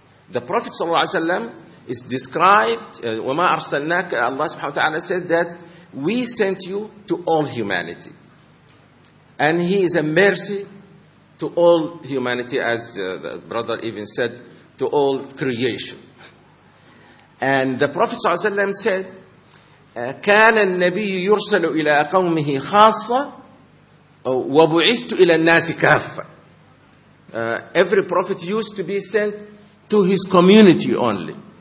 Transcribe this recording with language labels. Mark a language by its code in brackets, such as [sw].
[en] The Prophet sallallahu alaihi wasallam is described, [ar] وَمَا أَرْسَلْنَاكَ, [en] Allah subhanahu wa ta'ala said that we sent you to all humanity. And he is a mercy to all humanity, as the brother even said, to all creation. And the Prophet sallallahu alaihi wasallam said, [ar] كَانَ النَّبِيُّ يُرْسَلُ إِلَىٰ قَوْمِهِ خَاصَّ وَبُعِثْتُ إِلَىٰ النَّاسِ كَافَّ. [en] Every prophet used to be sent to his community only.